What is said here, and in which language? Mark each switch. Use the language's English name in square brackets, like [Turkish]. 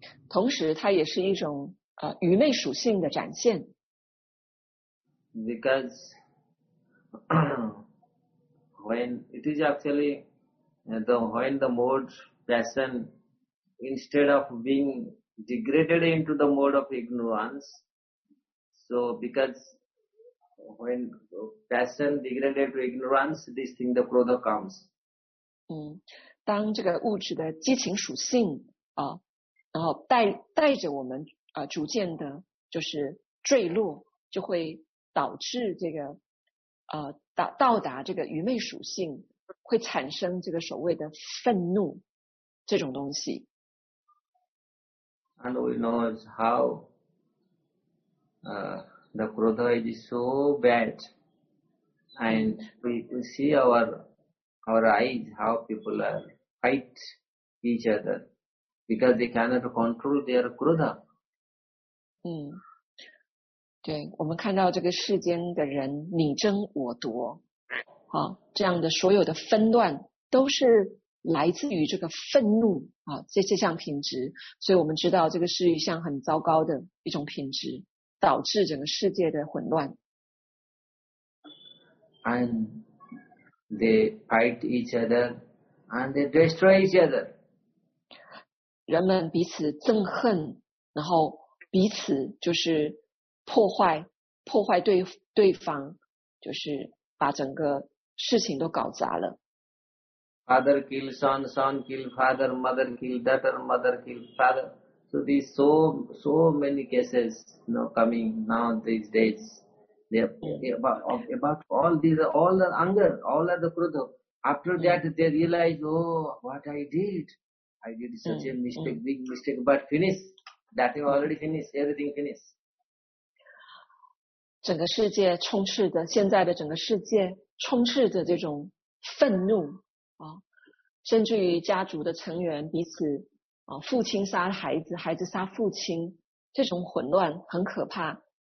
[Chinese] 同时它也是一种愚昧属性的展现。 [English] Because when it is actually when the mode passion instead of being degraded into the mode of ignorance, so because when passion degraded to ignorance, this thing, the krodha comes. [Chinese] 当这个物质的激情属性啊，然后带着我们啊，逐渐的就是坠落，就会导致这个到达这个愚昧属性，会产生这个所谓的愤怒这种东西。 [English] And we know how the krodha is so bad, and we see our eyes how people are. Fight each other because they cannot control their krodha. [Chinese] 对，我们看到这个世间的人你争我夺，这样的所有的纷乱都是来自于这个愤怒啊，这项品质。所以我们知道这个是一项很糟糕的一种品质，导致整个世界的混乱。 [English] And they fight each other. And they destroy each other. [Chinese] 人们彼此憎恨，然后彼此就是破坏对方，就是把整个事情都搞砸了。 [English] Father kill son, son kill father, mother kill daughter, mother kill father. So these so many cases now coming now these days. They are about all these all the anger, all are the krodha. After that, they realize, oh, what I did. I did such a mistake, big mistake, but finish. That is already finished. Everything finished. [Chinese] 整个世界充斥着，现在的整个世界充斥着这种愤怒，甚至于家族的成员彼此，父亲杀孩子，孩子杀父亲，这种混乱很可怕。